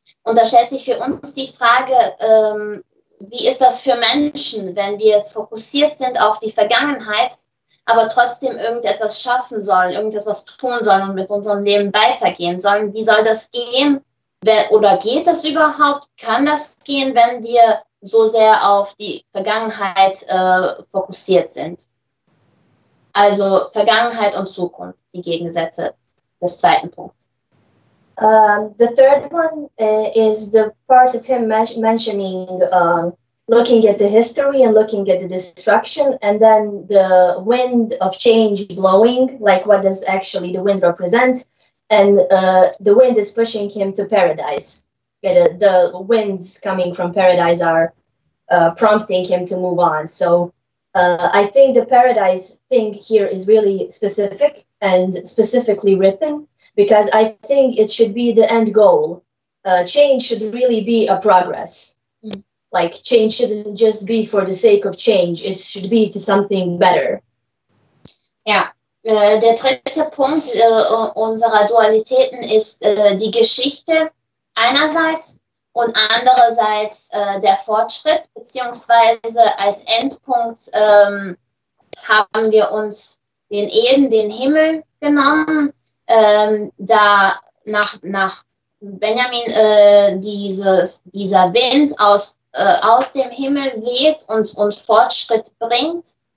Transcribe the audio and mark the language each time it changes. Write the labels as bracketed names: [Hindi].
[German] Und da stellt sich für uns die Frage, wie ist das für Menschen, wenn wir fokussiert sind auf die Vergangenheit, aber trotzdem irgendetwas schaffen sollen, irgendetwas tun sollen und mit unserem Leben weitergehen sollen. Wie soll das gehen? Oder geht das überhaupt? Kann das gehen, wenn wir so sehr auf die Vergangenheit fokussiert sind? Also Vergangenheit und Zukunft, die Gegensätze des zweiten Punkts. [English] The third one is the part of him mentioning looking at the history and looking at the destruction, and then the wind of change blowing, like what does actually the wind represent? And the wind is pushing him to paradise. Yeah, the winds coming from paradise are prompting him to move on. So I think the paradise thing here is really specific and specifically written, because I think it should be the end goal. Change should really be a progress. Like, change shouldn't just be for the sake of change. It should be to something better. [German] Ja, der dritte Punkt unserer Dualitäten ist die Geschichte einerseits und andererseits der Fortschritt, beziehungsweise als Endpunkt haben wir uns den Eden, den Himmel genommen, da nach Benjamin dieser Wind aus dem Himmel weht und Fortschritt bringt.